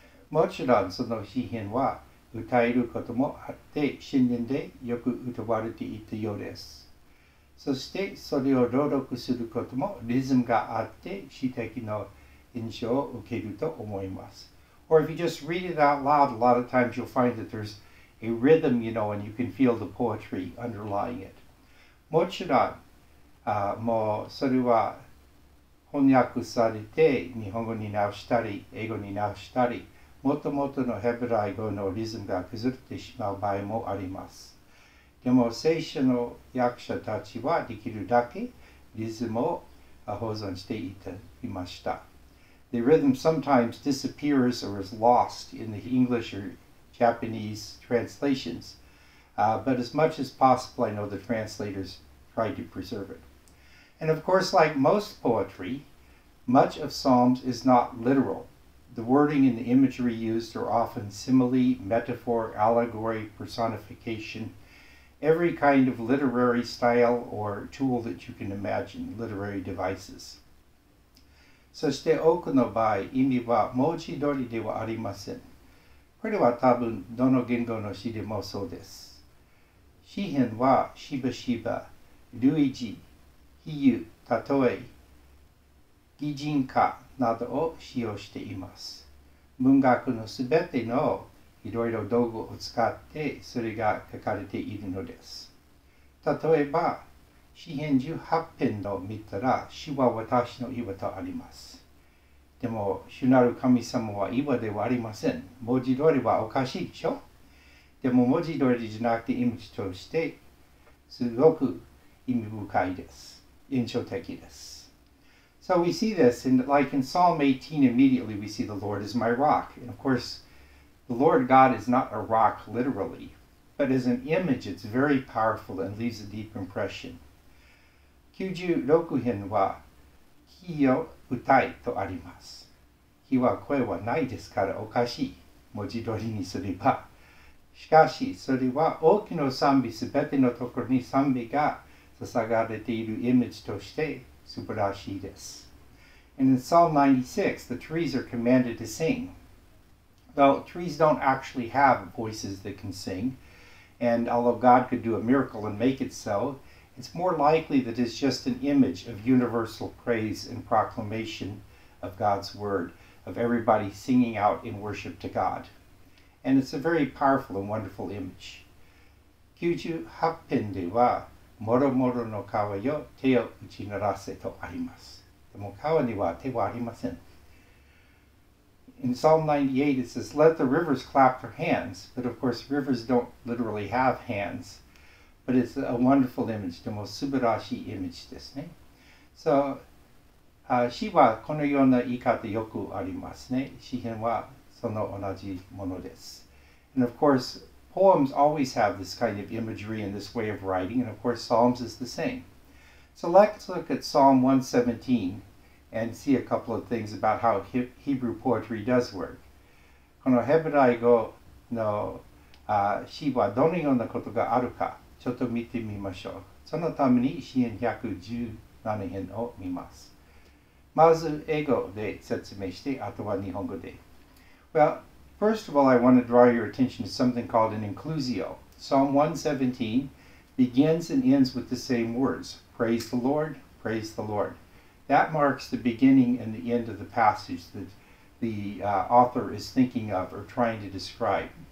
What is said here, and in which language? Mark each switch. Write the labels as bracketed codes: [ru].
[ja] もちろんその詩編は歌えることもあって神殿でよく歌われていたようです。そしてそれを朗読することもリズムがあって詩的な印象を受けると思います。 [en] Or if you just read it out loud, a lot of times you'll find that there's a rhythm, you know, and you can feel the poetry underlying it. [ja] もちろん、もうそれは翻訳されて日本語に直したり英語に直したり、もともとのヘブライ語のリズムが崩れてしまう場合もあります。でも聖書の訳者たちはできるだけリズムを保存していたいました。 [en] The rhythm sometimes disappears or is lost in the English or Japanese translations, but as much as possible, I know the translators tried to preserve it. And of course, like most poetry, much of Psalms is not literal. The wording and the imagery used are often simile, metaphor, allegory, personification, every kind of literary style or tool that you can imagine, literary devices. [ja] そして多くの場合、意味は文字通りではありません。これは多分どの言語の詩でもそうです。詩編はしばしば、類似、比喩、例え、擬人化、などを使用しています。文学のすべてのいろいろ道具を使ってそれが書かれているのです。例えば、詩編18編を見たら、主は私の岩とあります。でも、主なる神様は岩ではありません。文字通りはおかしいでしょ？でも文字通りじゃなくてイメージとして、すごく意味深いです。印象的です。 [en] So we see this, and like in Psalm 18, immediately we see the Lord is my rock. And of course, the Lord God is not a rock literally, but as an image, it's very powerful and leaves a deep impression. [ja] 96編は、火よ、歌いとあります。火は声はないですからおかしい。文字通りにすれば。しかし、それは大きな賛美、すべてのところに賛美が捧がれているイメージとして、素晴らしいです。 [en] And in Psalm 96, the trees are commanded to sing. Though trees don't actually have voices that can sing, and although God could do a miracle and make it so, it's more likely that it's just an image of universal praise and proclamation of God's word, of everybody singing out in worship to God. And it's a very powerful and wonderful image. [ja] 98編では、もろもろの川よ手を打ち鳴らせとあります。でも川には手はありません。 [en] In Psalm 98 it says, let the rivers clap their hands. But of course rivers don't literally have hands. But it's a wonderful image, [ja] でも素晴らしいイメージですね。 So, 詩はこのような言い方よくありますね。詩編はその同じものです。 [en] And of course, poems always have this kind of imagery and this way of writing. And of course, Psalms is the same. So let's look at Psalm 117 and see a couple of things about how Hebrew poetry does work. [ja] このヘブライ語の詩はどのようなことがあるか。ちょっと見てみましょう。そのために詩編117編を見ます。まず英語で説明して、あとは日本語で。 [en] Well, first of all, I want to draw your attention to something called an inclusio. Psalm 117 begins and ends with the same words. Praise the Lord, praise the Lord. That marks the beginning and the end of the passage that the author is thinking of or trying to describe.